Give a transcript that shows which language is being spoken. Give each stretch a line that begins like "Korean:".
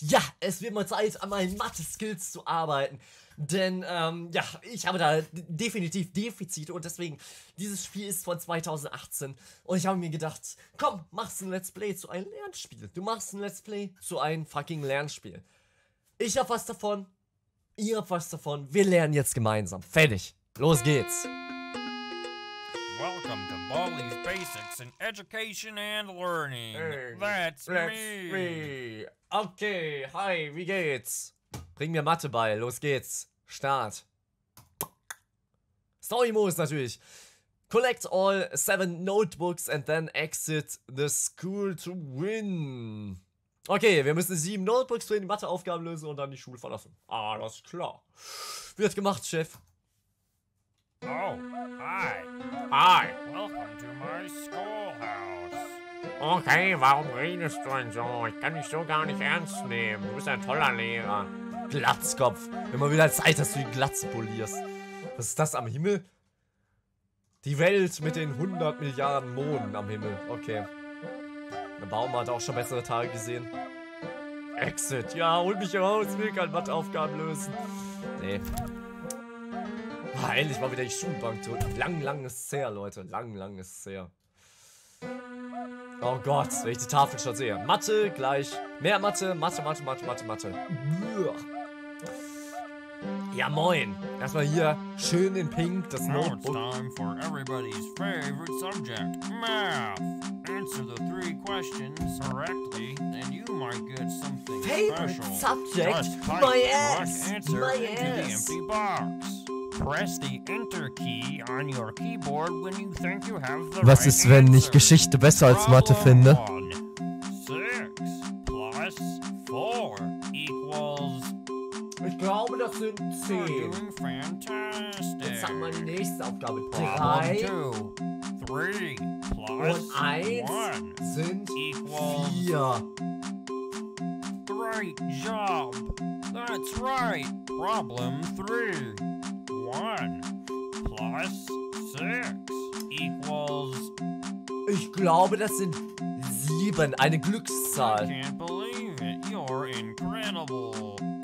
German: Ja, es wird mal Zeit, an meinen Mathe-Skills zu arbeiten. Denn, ich habe da definitiv Defizite und deswegen, dieses Spiel ist von 2018. Und ich habe mir gedacht, komm, machst ein Let's Play zu einem Lernspiel. Du machst ein Let's Play zu einem fucking Lernspiel. Ich habe was davon, ihr habt was davon. Wir lernen jetzt gemeinsam. Fertig. Los geht's.
English: Welcome to Baldi's Basics in Education and Learning. That's me. Okay, hi,
German: wie geht's? Bring mir Mathe bei, los geht's. Start. Story Mode natürlich.
English: Collect all 7 notebooks and then exit the school to win.
German: Okay, wir müssen 7 notebooks für die Matheaufgaben lösen und dann die Schule verlassen. Alles klar. Wird gemacht, Chef.
English: Oh, hi. Hi. Welcome to my schoolhouse.
German: Okay, warum redest du denn so? Ich kann dich so gar nicht ernst nehmen. Du bist ein toller Lehrer. Glatzkopf. Immer wieder Zeit, dass du die Glatze polierst. Was ist das am Himmel? Die Welt mit den 100 Milliarden Monden am Himmel. Okay. Der Baum hat auch schon bessere Tage gesehen. Exit. Ja, hol mich raus. Will keine Matheaufgaben lösen. Nee. Endlich mal wieder die Schulbank drücken. Lang, lang ist es her, Leute. Lang, lang ist es her. Oh Gott, wenn ich die Tafel schon sehe. Mathe gleich. Mehr Mathe. Mathe. Ja, moin. Erstmal hier schön in Pink das Notebook.
English: Now it's time for everybody's favorite subject, Math. Answer the 3 questions correctly and you might get something favorite special. Favorite subject? My ass. The empty box. Press the enter key on your keyboard when you think you have the
German: Was ist, wenn ich Geschichte besser als Mathe finde?
English: 6 plus 4 equals
German: Ich glaube, das sind 10.
English: Fantastic.
German: Jetzt haben wir die nächste Aufgabe.
English: 3 plus 1
German: sind
English: equals 4. Great job. That's right. Problem 3. 1 plus 6 equals
German: Ich glaube, das sind 7, eine Glückszahl.
English: I can't believe it, you're incredible.